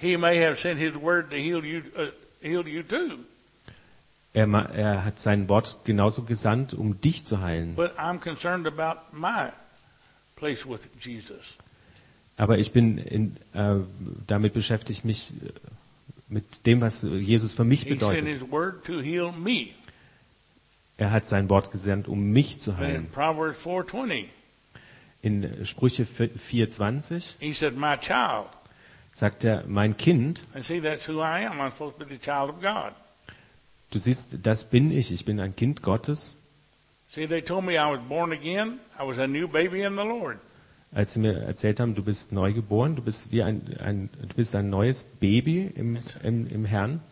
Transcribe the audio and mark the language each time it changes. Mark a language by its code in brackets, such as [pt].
[en] He may have sent his word to heal you too. [de] Er hat sein Wort genauso gesandt, um dich zu heilen. [en] But I'm concerned about my place with Jesus. [de] Aber ich bin damit beschäftigt, mich mit dem, was Jesus für mich bedeutet. [en] He sent his word to heal me. [de] Er hat sein Wort gesandt, um mich zu heilen. [en] Proverbs 4:20. [de] In Sprüche 4:20. [en] He said, my child. [de] Sagt er, mein Kind. [en] I see, that's who I am. I'm supposed to be the child of God. [de] Du siehst, das bin ich. Ich bin ein Kind Gottes. [en] See, they told me I was born again. I was a new baby in the Lord. [de] Als sie mir erzählt haben, du bist neu geboren, du bist wie ein neues Baby im Herrn.